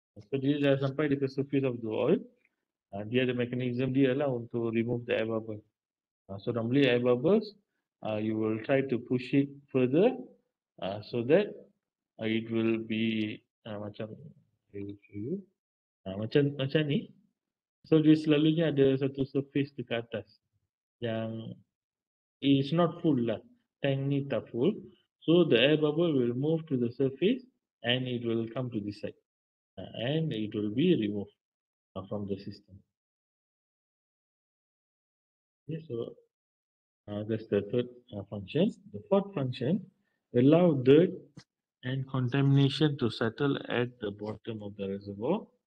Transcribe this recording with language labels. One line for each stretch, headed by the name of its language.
English: So this is sampai to the surface of the oil, and
Malay: dia ada
English: mechanism
Malay: dia lah untuk
English: remove the air bubble. So normally air bubbles, you will try to push it further so that it will be macam
Malay: Ha, macam macam ni. So dia selalunya ada satu surface dekat atas yang
English: is not full
Malay: lah. Tank ni tak full.
English: So the air bubble will move to the surface and it will come to this side. And it will be removed from the system. Okay, so that's the third function. The fourth function, allow dirt and contamination to settle at the bottom of the reservoir.